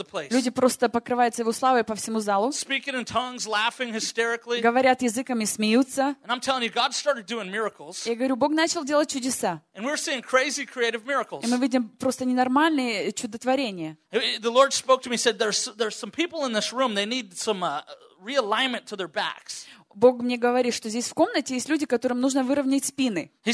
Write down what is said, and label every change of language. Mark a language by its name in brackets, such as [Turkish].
[Russian] Люди просто покрываются Его славой по всему залу. Говорят языками, смеются. Я говорю, Бог начал делать чудеса. И мы видим просто ненормальные чудотворения. [English] The Lord spoke to me, said, there's some people in this room, they need some realignment to their backs. [Russian] Бог мне говорит, что здесь в комнате есть люди, которым нужно выровнять спины.